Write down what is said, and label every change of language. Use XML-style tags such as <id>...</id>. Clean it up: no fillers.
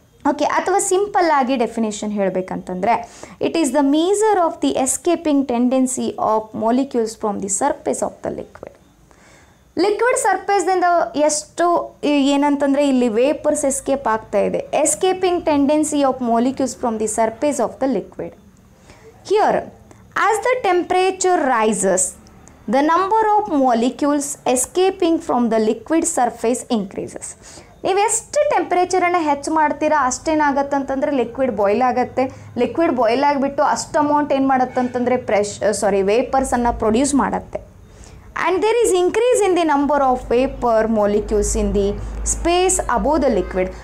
<en>okay,</en> <kn>ಅಥವಾ ಸಿಂಪಲ್ಲಾಗಿ definition ಹೇಳಬೇಕಂತಂದರೆ</kn> <en>It is the measure of the escaping tendency of molecules from the surface of the liquid.</en> <kn>Liquid ಸರ್ಫೇಸ್ದಿಂದ ಎಷ್ಟು ಏನಂತಂದರೆ ಇಲ್ಲಿ vapours escape ಆಗ್ತಾ ಇದೆ,</kn> <en>Escaping tendency of molecules from the surface of the liquid. Here as the temperature rises the number of molecules escaping from the liquid surface increases.</en> <kn>ನೀವು ಎಷ್ಟು ಟೆಂಪ್ರೇಚರನ್ನು ಹೆಚ್ಚು ಮಾಡ್ತೀರಾ ಅಷ್ಟೇನಾಗತ್ತೆ ಅಂತಂದರೆ ಲಿಕ್ವಿಡ್ ಬಾಯ್ಲ್ ಆಗುತ್ತೆ. ಲಿಕ್ವಿಡ್ ಬಾಯ್ಲ್ ಆಗಿಬಿಟ್ಟು ಅಷ್ಟು ಅಮೌಂಟ್ ಏನು ಮಾಡುತ್ತೆ ಅಂತಂದರೆ ವೇಪರ್ಸನ್ನು ಪ್ರೊಡ್ಯೂಸ್ ಮಾಡುತ್ತೆ.</kn> <en>And there is increase in the number of vapour molecules in the space above the liquid.</en>